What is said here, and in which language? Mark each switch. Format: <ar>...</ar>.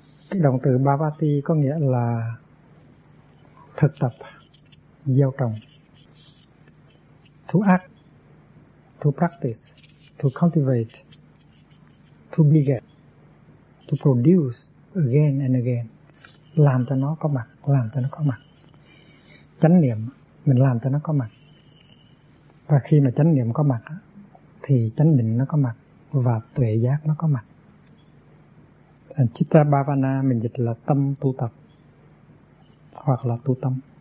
<vi>Cái động từ Bhavati có nghĩa là thực tập, gieo trồng.</vi> <en>To act, to practice, to cultivate, to beget, to produce again and again.</en> <vi>Làm cho nó có mặt, làm cho nó có mặt. Chánh niệm mình làm cho nó có mặt. Và khi mà chánh niệm có mặt thì chánh định nó có mặt và tuệ giác nó có mặt. Chitta Bhavana mình dịch là tâm tu tập hoặc là tu tâm.</vi>